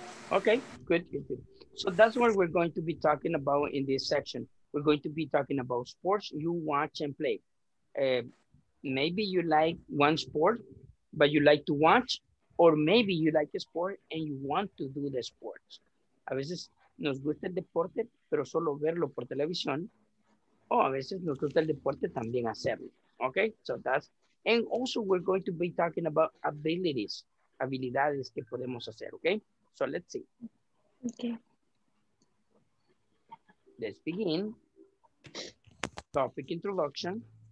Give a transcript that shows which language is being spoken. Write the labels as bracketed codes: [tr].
[en] Okay, good, good, good. So that's what we're going to be talking about in this section. We're going to be talking about sports you watch and play. Maybe you like one sport, but you like to watch, or maybe you like a sport and you want to do the sports. [es] A veces nos gusta el deporte, pero solo verlo por televisión. O a veces nos gusta el deporte también hacerlo. [en] Okay, so that's, and also we're going to be talking about abilities, [es] habilidades que podemos hacer, [en] okay? So let's see. Okay. Let's begin. Topic introduction.